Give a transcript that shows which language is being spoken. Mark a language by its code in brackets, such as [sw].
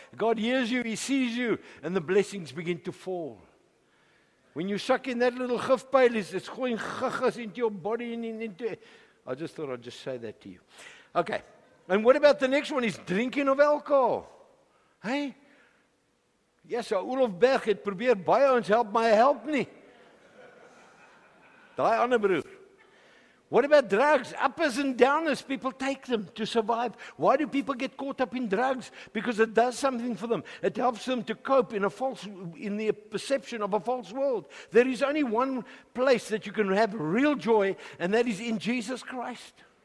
[en] God hears you, he sees you, and the blessings begin to fall. When you suck in that little gifpyl, it's going gugus into your body and into... I just thought I'd just say that to you. Okay, and what about the next one? Is drinking of alcohol. Hey? [af] Ja, so Olof Berg het probeer baie ons help, maar hy help nie. Daai ander broer. [en] What about drugs? Uppers and downers, people take them to survive. Why do people get caught up in drugs? Because it does something for them. It helps them to cope in the perception of a false world. There is only one place that you can have real joy, and that is in Jesus Christ.